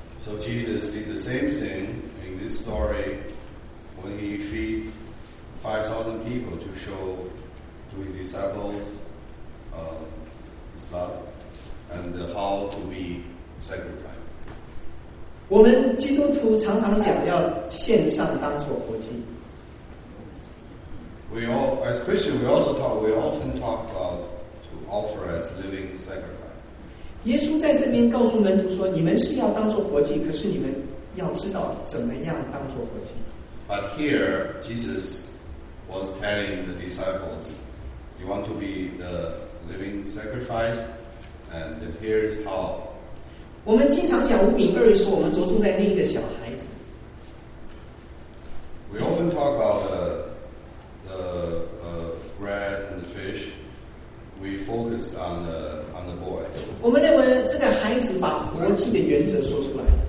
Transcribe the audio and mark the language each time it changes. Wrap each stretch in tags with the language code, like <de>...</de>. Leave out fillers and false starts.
<en>So Jesus did the same thing in this story when he feed 5,000 people to show to his disciples his love and how to be sacrificed.</en> <zh>我们基督徒常常讲要献上当作活祭。</zh> <en>We all, as Christians, we often talk about to offer as living sacrifice.</en> <zh>耶稣在这边告诉门徒说，你们是要当作活祭，可是你们要知道怎么样当作活祭。</zh> <en>But here, Jesus was telling the disciples, you want to be the living sacrifice, and here is how.</en> <zh>我们经常讲五饼二鱼，说我们着重在那一个小孩子。</zh> <en>We often talk about the bread and the fish, we focused on the boy.</en> <zh>我们认为这个孩子把活祭的原则说出来。</zh>